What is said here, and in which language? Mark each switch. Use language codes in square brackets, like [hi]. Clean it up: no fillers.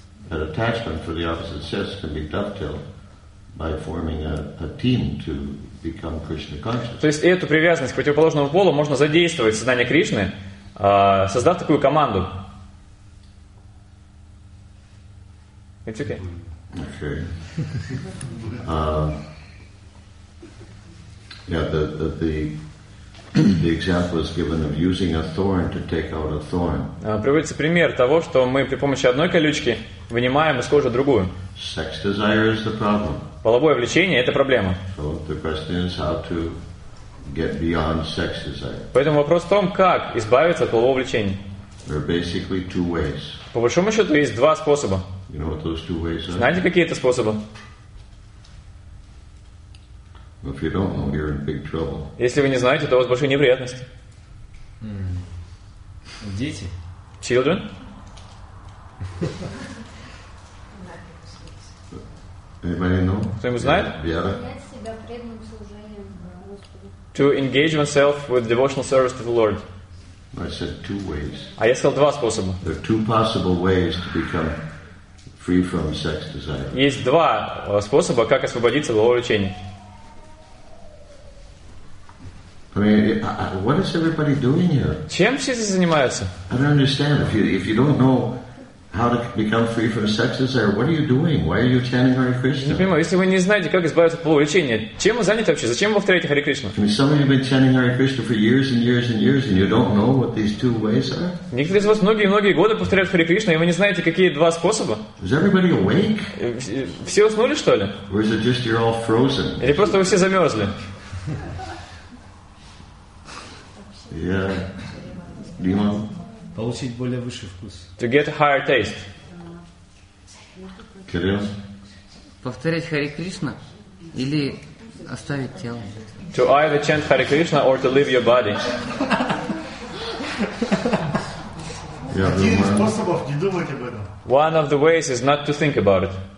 [en] That attachment for the opposite sex can be dovetailed by forming a team to become Krishna conscious. [ru] То есть эту привязанность к противоположному полу можно задействовать в сознании Кришны, создав такую команду. [en] It's okay. Okay. The example is given of using a thorn to take out a thorn. [ru] Приводится пример того, что мы при помощи одной колючки вынимаем из кожи другую. [en] Sex desire is the problem. [ru] Половое влечение – это проблема. [en] So the question is how to get beyond sex desire. [ru] Поэтому вопрос в том, как избавиться от полового влечения. [en] There are basically two ways. [ru] По большому счету есть два способа. [en] You know what those two ways are? [ru] Знаете, какие это способы? [en] If you don't know, you're in big trouble. [ru] Если вы не знаете, то у вас большие неприятности. Дети. [en] Children. Anybody know? [ru] Кто-нибудь знает? Вера. Себя преданным служением Господу. [en] To engage oneself with devotional service to the Lord. I said two ways. [ru] А я сказал два способа. [en] There are two possible ways to become free from sex desire. [ru] Есть два способа, как освободиться от полового влечения. [en] I mean, what is everybody doing here? [ru] Чем все здесь занимаются? [en] I don't understand. If you don't know how to become free from sex desire, what are you doing? Why are you chanting Hare Krishna? [ru] Не понимаю. Если вы не знаете, как избавиться от полового влечения, чем вы заняты вообще? Зачем вы повторяете Hare Krishna? [en] I mean, some of you have been chanting Hare Krishna for years and years and years, and you don't know what these two ways are. [ru] Некоторые из вас многие годы повторяют Hare Krishna, и вы не знаете, какие два способа. [en] Is everybody awake? [ru] Все уснули, что ли? [en] Or is it just you're all frozen? [ru] Или просто вы все замерзли? [en] Yeah. Do you want [ru] получить более высший вкус? [en] To get a higher taste. [ru] Кирилл? Повторять Hare Krishna или оставить тело? [en] To either chant Hare Krishna or to leave your body. [ru] Один из способов не думать об этом. [en] One of the ways is not to think about it.